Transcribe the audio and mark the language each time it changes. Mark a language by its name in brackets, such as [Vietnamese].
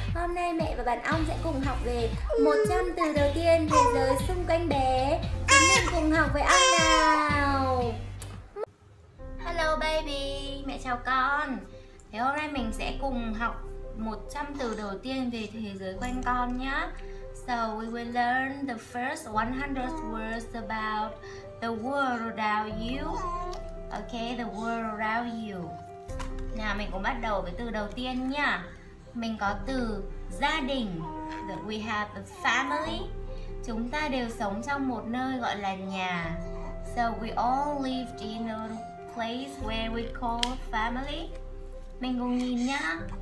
[Vietnamese] Hôm nay mẹ và bạn ông sẽ cùng học về 100 từ đầu tiên thế giới xung quanh bé. Chúng mình cùng học với ông nào. [English] Hello baby, [Vietnamese] mẹ chào con. Thế hôm nay mình sẽ cùng học 100 từ đầu tiên về thế giới quanh con nhé. [English] So we will learn the first 100 words about the world around you. Okay, the world around you. [Vietnamese] Nào, mình cũng bắt đầu với từ đầu tiên nha. Mình có từ gia đình, [English] that we have a family. [Vietnamese] Chúng ta đều sống trong một nơi gọi là nhà. [English] So we all live in a place where we call family. [Vietnamese] Mình cùng nhìn nhá.